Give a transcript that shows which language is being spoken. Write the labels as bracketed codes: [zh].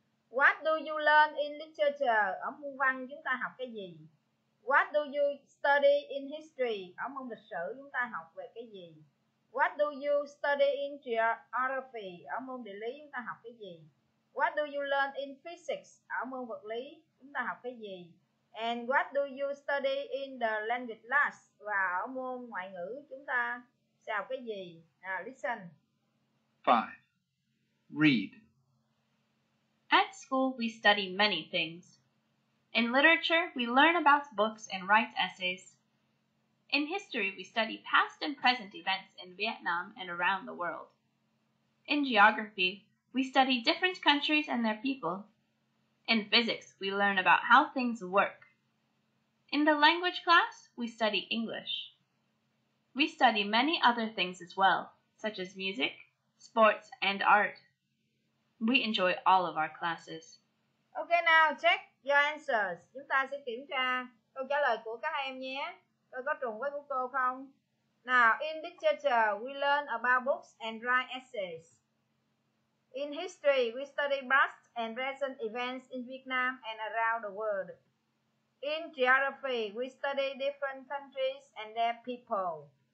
[vi] What do you learn in literature? Ở môn văn chúng ta học cái gì? What do you study in history? Ở môn lịch sử chúng ta học về cái gì? What do you study in geography? Ở môn địa lý chúng ta học cái gì? What do you learn in physics? Ở môn vật lý chúng ta học cái gì? [en] And what do you study in the language class? [vi] Và ở môn ngoại ngữ chúng ta sẽ học cái gì? [en] Now listen. 5. Read. At school we study many things. In literature we learn about books and write essays. In history we study past and present events in Vietnam and around the world. In geography we study different countries and their people. In physics we learn about how things work. In the language class, we study English. We study many other things as well, such as music, sports, and art. We enjoy all of our classes. Okay, now check your answers. [vi] Chúng ta sẽ kiểm tra câu trả lời của các em nhé. Tôi có trùng với của cô không? [en] Now, in literature, we learn about books and write essays. In history, we study past and present events in Vietnam and around the world. In geography, we study different countries and their people.